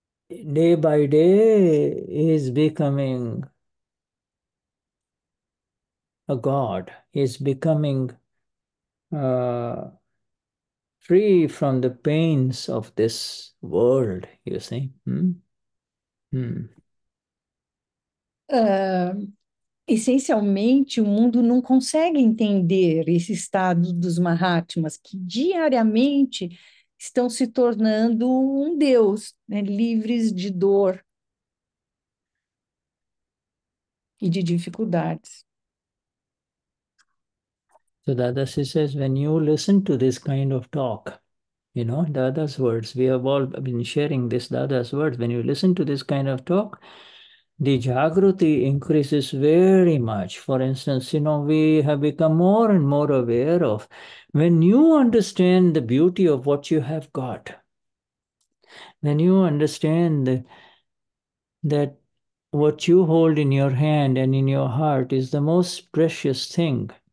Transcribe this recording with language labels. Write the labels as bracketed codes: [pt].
[en] day by day is becoming a god, is becoming free from the pains of this world, you see. [pt] Essencialmente, o mundo não consegue entender esse estado dos Mahatmas, que diariamente estão se tornando um Deus, né, livres de dor e de dificuldades. [en] So Dadashi says, when you listen to this kind of talk, you know, Dada's words, we have all been sharing this Dada's words. When you listen to this kind of talk, the jagruti increases very much. For instance, you know, we have become more and more aware of when you understand the beauty of what you have got, when you understand that what you hold in your hand and in your heart is the most precious thing.